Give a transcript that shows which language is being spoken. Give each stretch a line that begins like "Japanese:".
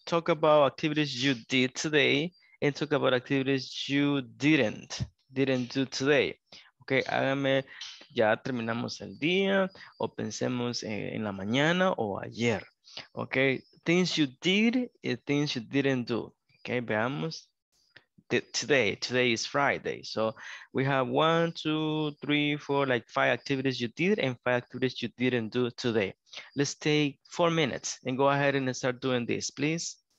English: Talk about activities you did today and talk about activities you didn't do today.
Spanish: Okay, hágame, ya terminamos el día o pensemos en la mañana o ayer.
English: Okay, things you did and things you didn't do. Okay,
Spanish: veamos.
English: Today is Friday. So we have 1, 2, 3, 4, like 5 activities you did and 5 activities you didn't do today. Let's take 4 minutes and go ahead and start doing this, please.